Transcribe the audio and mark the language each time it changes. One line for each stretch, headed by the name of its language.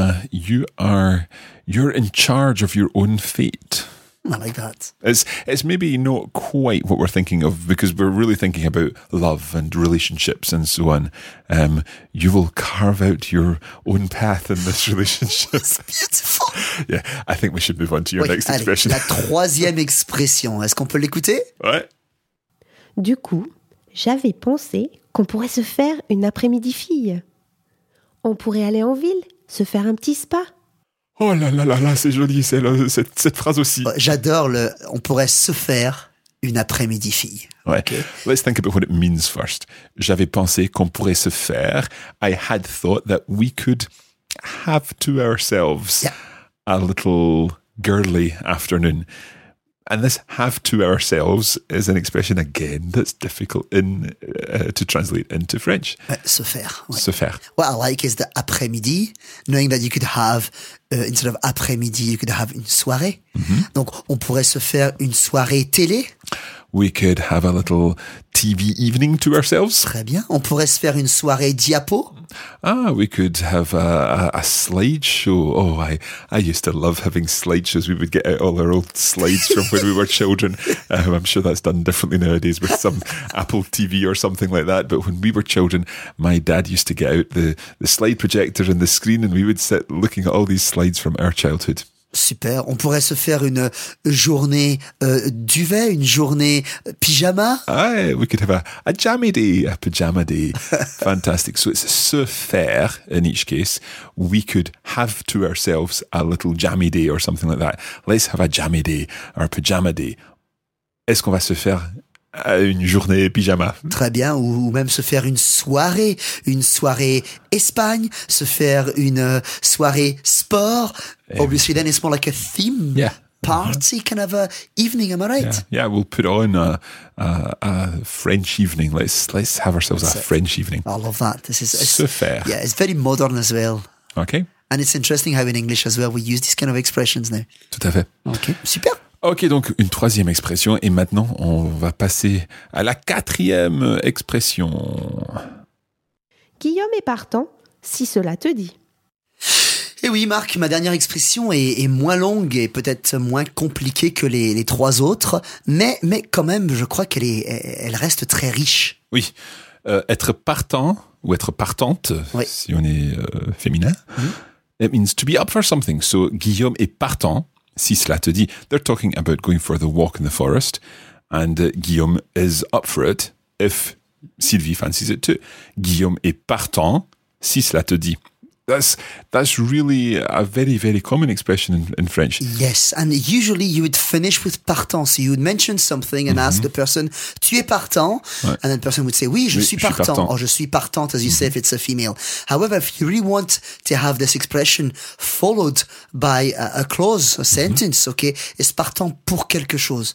English: You're in charge of your own fate. I like that. It's maybe not quite what we're thinking of, because we're really thinking about love and relationships and so on. You will carve out your own path in this relationship. That's beautiful. Yeah, I think we should move on to your next expression.
French: La troisième expression. Est-ce qu'on peut l'écouter? Ouais. Du coup, j'avais pensé qu'on pourrait se faire une après-midi fille. On pourrait aller en ville, se faire un petit spa. Oh là là là là, c'est joli, c'est le, cette phrase aussi. J'adore le « on pourrait se faire une après-midi fille ». Ouais, okay.
English: Let's think about what it means first.
French: J'avais pensé qu'on pourrait se faire,
English: I had thought that we could have to ourselves a little girly afternoon. And this have to ourselves is an expression, again, that's difficult in to translate into French.
French: Se faire. Ouais. Se faire.
English: What I like is the après-midi, knowing that you could have, instead of après-midi, you could have une soirée. Mm-hmm.
French: Donc, on pourrait se faire une soirée télé.
English: We could have a little TV evening to ourselves.
French: Très bien. On pourrait se faire une soirée diapo.
English: Ah, we could have a slideshow. Oh, I used to love having slideshows. We would get out all our old slides from when we were children. I'm sure that's done differently nowadays with some Apple TV or something like that. But when we were children, my dad used to get out the slide projector and the screen, and we would sit looking at all these slides from our childhood.
French: Super. On pourrait se faire une journée duvet, une journée pyjama.
English: Aye, we could have a jammy day, a pyjama day. Fantastic. So it's se faire in each case. We could have to ourselves a little jammy day or something like that. Let's have a jammy day or a pyjama day.
French: Est-ce qu'on va se faire une journée pyjama? Très bien. Ou même se faire une soirée Espagne, se faire une soirée sport.
English: Obviously, then it's more like a theme party, kind of a evening. Am I right? Yeah, we'll put on a French evening. Let's have ourselves a French evening. I love that. This is so fair. Yeah, it's very modern as well. Okay. And it's interesting how in English as well we use these kind of expressions now.
French: Tout à fait. Okay. Super. Ok, donc une troisième expression, et maintenant on va passer à la quatrième expression. Guillaume est partant, si cela te dit. Et oui Marc, ma dernière expression est moins longue et peut-être moins compliquée que les trois autres, mais quand même je crois qu'elle elle reste très riche. Oui, être partant ou être partante, oui. Si on est féminin,
English: it means to be up for something, so
French: Guillaume est partant. Si cela te dit,
English: they're talking about going for the walk in the forest, and Guillaume is up for it if Sylvie fancies it too.
French: Guillaume est partant, si cela te dit.
English: That's really a very, very common expression in French. Yes, and usually you would finish with partant. So you would mention something and ask the person,
French: tu es partant?
English: Right. And then the person would say,
French: oui, je suis partant.
English: Or
French: je suis partante,
English: as you say, if it's a female. However, if you really want to have this expression followed by a clause, a sentence, okay, it's
French: partant pour quelque chose,